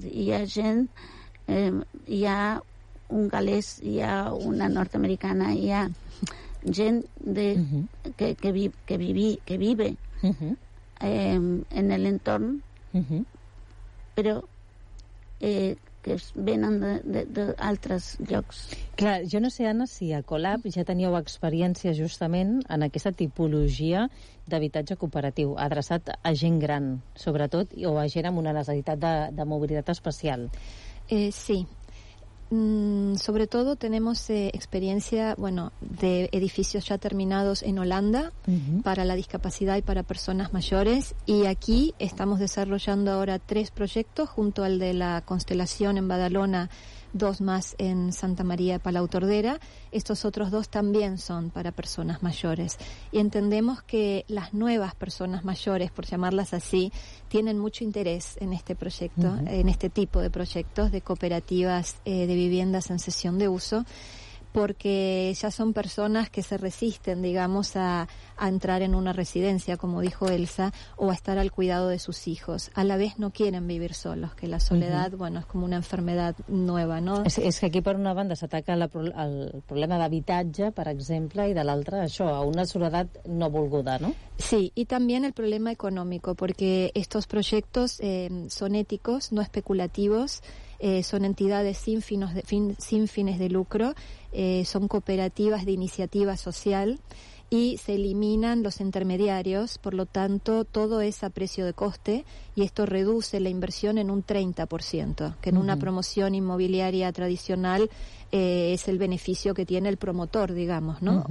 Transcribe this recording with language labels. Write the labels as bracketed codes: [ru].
[ca] Hi ha gent, hi ha un galès, hi ha una nord-americana, hi ha gent de, [es] que vive en el [ca] entorn, però que venen d'altres llocs. Clar, jo no sé, Anna, si a Colab ja teníeu experiència justament en aquesta tipologia d'habitatge cooperatiu, adreçat a gent gran, sobretot, o a gent amb una necessitat de mobilitat especial. Sí. [es] Sobre todo tenemos experiencia, bueno, de edificios ya terminados en Holanda para la discapacidad y para personas mayores, y aquí estamos desarrollando ahora 3 proyectos junto al de la Constelación en Badalona, 2 más en Santa María de Palautordera. Estos otros 2 también son para personas mayores, y entendemos que las nuevas personas mayores, por llamarlas así, tienen mucho interés en este proyecto, en este tipo de proyectos de cooperativas de viviendas en cesión de uso, porque ya son personas que se resisten, digamos, a entrar en una residencia, como dijo Elsa, o a estar al cuidado de sus hijos. A la vez no quieren vivir solos, que la soledad, bueno, es como una enfermedad nueva, ¿no? Es que aquí, por una banda, [ca] s'ataca el problema d'habitatge, per exemple, i de l'altra, això, a una soledat no volguda, ¿no? [es] Sí, y también el problema económico, porque estos proyectos son éticos, no especulativos. Son entidades sin fines de lucro, son cooperativas de iniciativa social y se eliminan los intermediarios, por lo tanto todo es a precio de coste, y esto reduce la inversión en un 30%, que en una promoción inmobiliaria tradicional es el beneficio que tiene el promotor, digamos, ¿no?